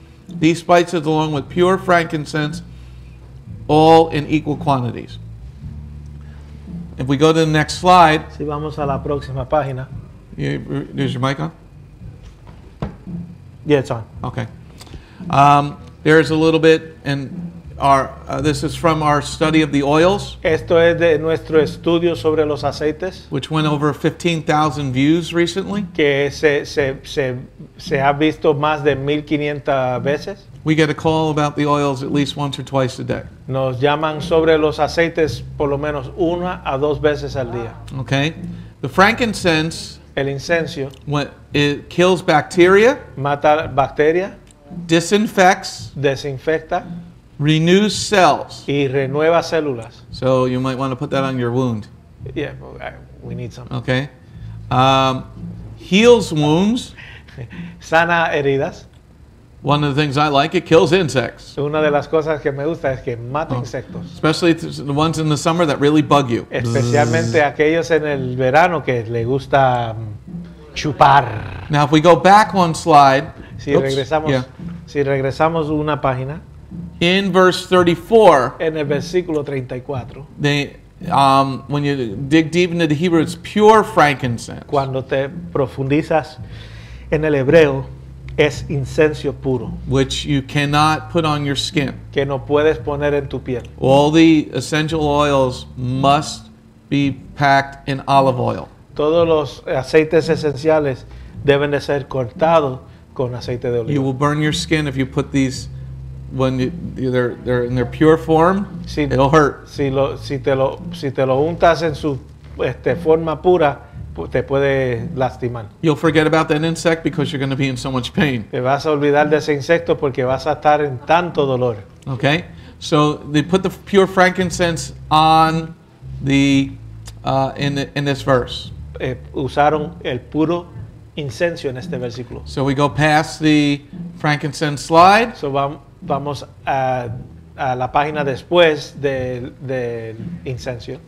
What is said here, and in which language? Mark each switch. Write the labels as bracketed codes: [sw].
[en] These spices along with pure frankincense, all in equal quantities. If we go to the next slide, [es] si vamos a la próxima página. [en] Is your mic on? Yeah, it's on. Okay. There's a little bit, and this is from our study of the oils. [es] Esto es de nuestro estudio sobre los aceites. [en] Which went over 15,000 views recently. [es] Que se ha visto más de 1,500 veces. [en] We get a call about the oils at least once or twice a day. [es] Nos llaman sobre los aceites por lo menos una a dos veces al día. [en] Okay. The frankincense, [es] el incenso, [en] it kills bacteria, [es] mata bacteria, [en] desinfecta, renews cells, [es] y renueva células. [en] So you might want to put that on your wound. Yeah, we need some. Okay. Heals wounds, [es] sana heridas. [en] One of the things I like, it kills insects. [es] Una de las cosas que me gusta es que mata insectos. [en] Especially the ones in the summer that really bug you. [es] Especialmente aquellos en el verano que le gusta chupar. [en] Now, if we go back one slide, [es] si regresamos una página, [en] in verse 34, [es] en el versículo 34, [en] when you dig deep into the Hebrew, it's pure frankincense. [es] Cuando te profundizas en el hebreo, es incenso puro. [en] Which you cannot put on your skin. [es] Que no puedes poner en tu piel. [en] All the essential oils must be packed in olive oil. [es] Todos los aceites esenciales deben de ser cortados con aceite de oliva. [en] You will burn your skin if you put these when they're in their pure form. [es] Si, [en] it'll hurt. [es] Si te lo untas en su forma pura, te puede lastimar. [en] You'll forget about that insect because you're going to be in so much pain. [es] Te vas a olvidar de ese insecto porque vas a estar en tanto dolor. [en] Okay, so they put the pure frankincense on the in this verse. [es] Usaron el puro incenso en este versículo. [en] So we go past the frankincense slide. [es] So vamos a la página después del del incenso.